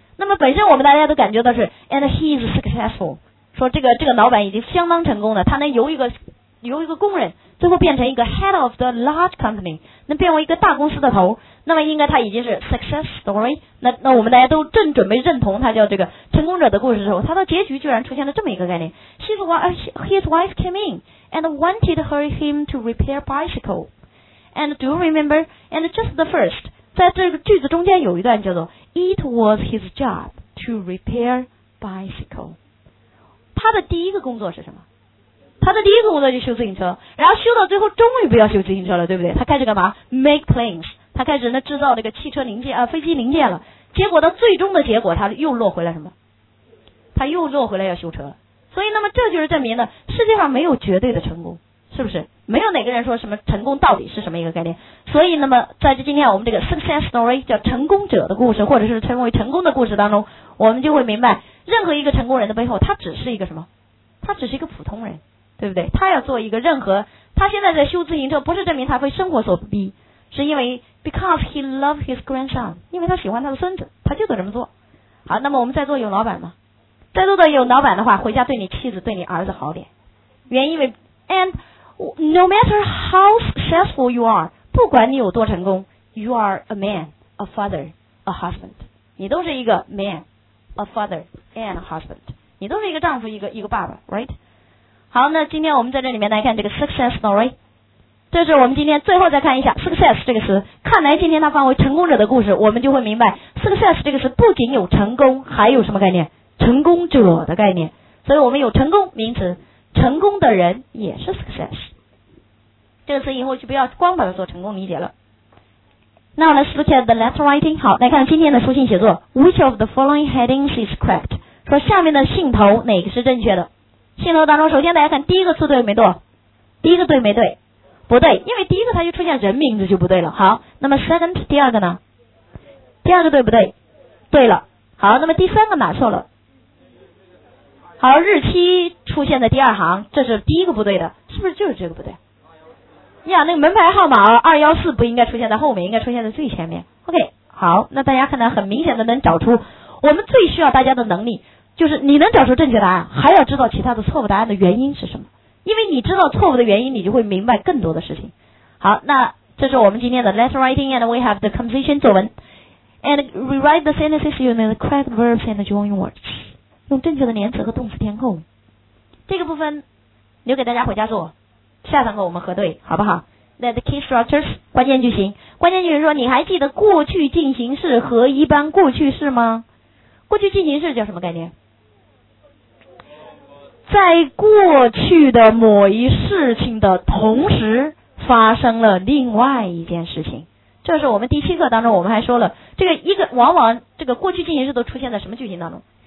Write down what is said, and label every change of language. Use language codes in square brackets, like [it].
[zh] 那么本身我们大家都感觉到是 [en] and he is successful， [zh] 说这个老板已经相当成功了，他能由一个工人最后变成一个 [en] head of the large company， [zh] 能变为一个大公司的头，那么应该他已经是 [en] success story， [zh] 那我们大家都正准备认同他叫这个成功者的故事的时候，他的结局居然出现了这么一个概念。 [en] His wife came in and wanted him to repair bicycle， and do you remember， and just the first， [zh] 在这个句子中间有一段叫做 [en] it was his job to repair bicycle， [zh] 他的第一个工作是什么？他的第一个工作就修自行车，然后修到最后终于不要修自行车了，对不对？他开始干嘛？ [en] Make planes， [zh] 他开始制造那个汽车零件飞机零件了。结果到最终的结果，他又落回来什么？他又落回来要修车。所以那么这就是证明呢，世界上没有绝对的成功，是不是？没有哪个人说什么成功到底是什么一个概念。所以那么在这今天我们这个 [en] success story [zh] 叫成功者的故事，或者是称为成功的故事当中，我们就会明白任何一个成功人的背后，他只是一个什么？他只是一个普通人，对不对？他要做一个任何，他现在在修自行车，不是证明他被生活所逼，是因为 [en] because he loves his grandson， [zh] 因为他喜欢他的孙子，他就得这么做。好，那么我们在座有老板吗？在座的有老板的话，回家对你妻子对你儿子好点。原因为 [en] and no matter how successful you are， [zh] 不管你有多成功， [en] you are a man， a father， a husband， [zh] 你都是一个 [en] man， a father and a husband， [zh] 你都是一个丈夫，一个爸爸， [en] right？ [zh] 好，那今天我们在这里面来看这个 [en] success story， [zh] 这是我们今天最后再看一下 success 这个词。看来今天它范围成功者的故事，我们就会明白 success 这个词不仅有成功，还有什么概念？成功者的概念。所以我们有成功名词，成功的人也是 success， 这个词以后就不要光把它做成功理解了。 [en] Now let's look at the letter writing. [zh] 好，来看今天的书信写作。 [en] Which of the following headings is correct? [zh] 说下面的信头哪个是正确的？信头当中，首先大家看第一个字对没对？第一个对没对？不对，因为第一个它就出现人名字就不对了。好，那么 second 第二个呢？第二个对不对？对了。好，那么第三个哪错了？好，日期出现在第二行，这是第一个不对的，是不是就是这个不对？呀，那个门牌号码214不应该出现在后面，应该出现在最前面。 OK， 好，那大家看到很明显的能找出，我们最需要大家的能力就是你能找出正确答案，还要知道其他的错误答案的原因是什么，因为你知道错误的原因，你就会明白更多的事情。好，那这是我们今天的 [en] letter writing and we have the composition 作文 and rewrite the sentences using the correct verbs and join words， [zh] 用正确的连词和动词填空。这个部分留给大家回家做，下堂课我们核对好不好？ [en] Let the key structures [zh] 关键句型，关键句型说你还记得过去进行式和一般过去式吗？过去进行式叫什么概念？在过去的某一事情的同时发生了另外一件事情，这是我们第七课当中我们还说了，这个一个往往这个过去进行式都出现在什么句型当中？